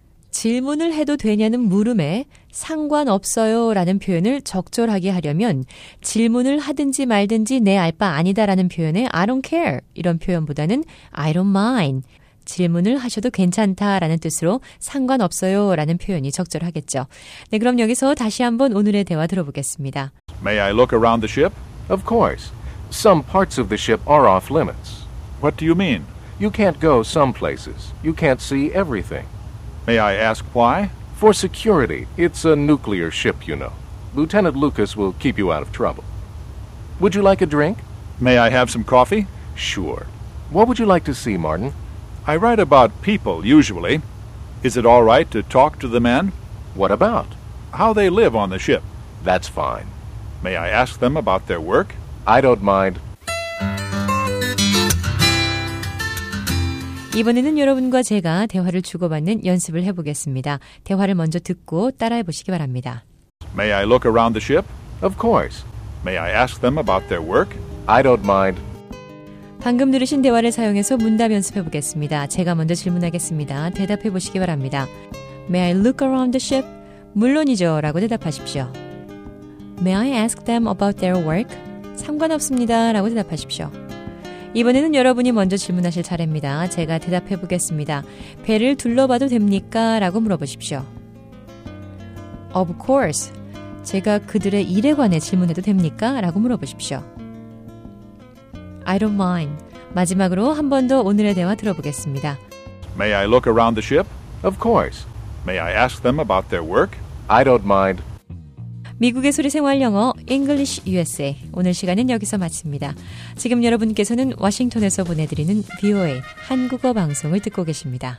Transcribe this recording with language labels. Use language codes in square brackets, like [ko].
[ko] 질문을 해도 되냐는 물음에 상관없어요 라는 표현을 적절하게 하려면 질문을 하든지 말든지 내 알 바 아니다 라는 표현에 [en] I don't care [ko] 이런 표현보다는 [en] I don't mind [ko] 질문을 하셔도 괜찮다 라는 뜻으로 상관없어요 라는 표현이 적절하겠죠. 네, 그럼 여기서 다시 한번 오늘의 대화 들어보겠습니다. [en] May I look around the ship? Of course. Some parts of the ship are off limits. What do you mean? You can't go some places. You can't see everything. May I ask why? For security. It's a nuclear ship, you know. Lieutenant Lucas will keep you out of trouble. Would you like a drink? May I have some coffee? Sure. What would you like to see, Martin? I write about people, usually. Is it all right to talk to the men? What about? How they live on the ship. That's fine. May I ask them about their work? I don't mind. [ko] 이번에는 여러분과 제가 대화를 주고받는 연습을 해보겠습니다. 대화를 먼저 듣고 따라해 보시기 바랍니다. [en] May I look around the ship? Of course. May I ask them about their work? I don't mind. [ko] 방금 들으신 대화를 사용해서 문답 연습해 보겠습니다. 제가 먼저 질문하겠습니다. 대답해 보시기 바랍니다. [en] May I look around the ship? [ko] 물론이죠. 라고 대답하십시오. [en] May I ask them about their work? [ko] 상관없습니다. 라고 대답하십시오. 이번에는 여러분이 먼저 질문하실 차례입니다. 제가 대답해 보겠습니다. 배를 둘러봐도 됩니까? 라고 물어보십시오. [en] Of course. [ko] 제가 그들의 일에 관해 질문해도 됩니까? 라고 물어보십시오. [en] I don't mind. [ko] 마지막으로 한 번 더 오늘의 대화 들어보겠습니다. [en] May I look around the ship? Of course. May I ask them about their work? I don't mind. [ko] 미국의 소리 생활 영어 English USA 오늘 시간은 여기서 마칩니다. 지금 여러분께서는 워싱턴에서 보내드리는 VOA 한국어 방송을 듣고 계십니다.